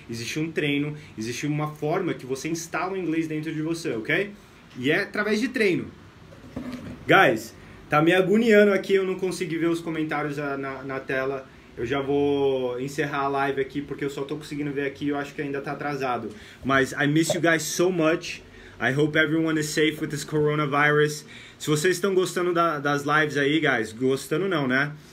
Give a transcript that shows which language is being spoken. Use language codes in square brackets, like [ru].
[pt] Existe um treino, existe uma forma que você instala o inglês dentro de você, ok? E é através de treino. Guys, tá me agoniando aqui, eu não consegui ver os comentários na tela. Eu já vou encerrar a live aqui, porque eu só tô conseguindo ver aqui e eu acho que ainda tá atrasado. [en] Mas I miss you guys so much. I hope everyone is safe with this coronavirus. [pt] Se vocês estão gostando das lives aí, guys, gostando não, né?